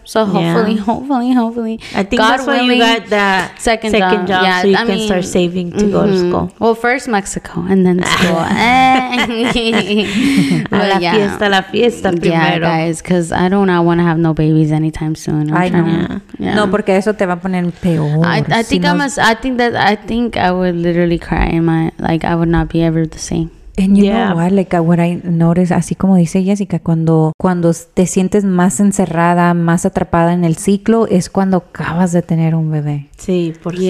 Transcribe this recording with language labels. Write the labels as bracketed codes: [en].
[en] So hopefully, I think God willing, you got that second job. Yeah, so I mean, can start saving to go to school. Well, first Mexico and then school. [es] la fiesta. [en] Yeah, guys, because I don't want to have no babies anytime soon. [es] No, porque eso te va a poner peor. [en] I think I would literally cry in my, like, I would not be ever the same. And you know what? Like, what I noticed, [es] así como dice Jessica, cuando te sientes más encerrada, más atrapada en el ciclo, es cuando acabas de tener un bebé. Sí, por sí.